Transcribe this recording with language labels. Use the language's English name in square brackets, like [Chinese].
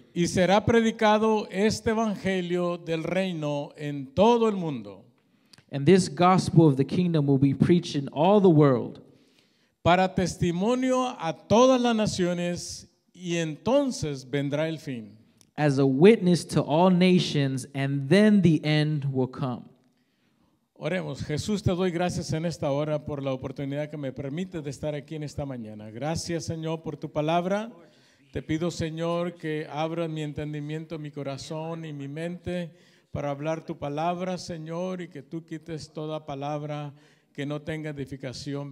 [Spanish] Y será predicado este evangelio del reino en todo el mundo. [English] And this gospel of the kingdom will be preached in all the world. [Spanish] Para testimonio a todas las naciones y entonces vendrá el fin. [English] As a witness to all nations and then the end will come. [Spanish] Oremos, Jesús, te doy gracias en esta hora por la oportunidad que me permite de estar aquí en esta mañana. Gracias, Señor, por tu palabra. Te pido, Señor, que abra mi entendimiento, mi corazón y mi mente para hablar tu palabra, Señor, y que tú quites toda palabra que no tenga edificación.